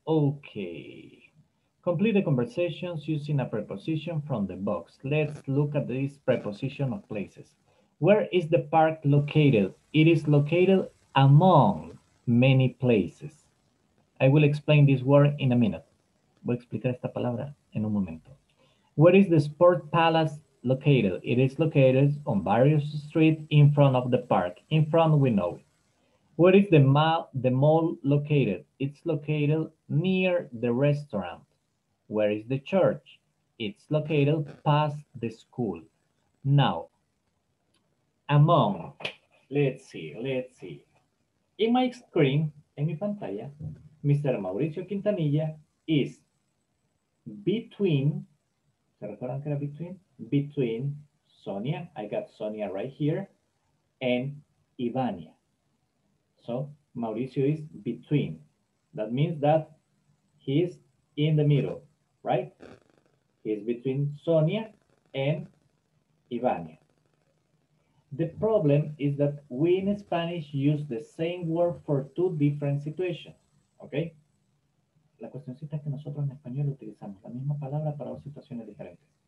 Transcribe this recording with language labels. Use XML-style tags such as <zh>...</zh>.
<en>Okay. Complete the conversations using a preposition from the box. Let's look at this preposition of places. Where is the park located? It is located among many places. I will explain this word in a minute.</en> <es>Voy a explicar esta palabra en un momento.</es> <en>Where is the sport palace located? It is located on various streets in front of the park. In front, we know it. Where is the mall located? It's located near the restaurant. Where is the church? It's located past the school. Now, among, let's see. In my screen,</en> <es>en mi pantalla,</es> <en>Mr. Mauricio Quintanilla is between.</en> <es>¿Se recuerdan que era</es> <en>between Sonia, I got Sonia right here, and Ivania. So Mauricio is between. That means that he's in the middle, right? He's between Sonia and Ivania. The problem is that we in Spanish use the same word for two different situations, okay?</en> <es>La cuestioncita es que nosotros en español utilizamos la misma palabra para dos situaciones diferentes.</es>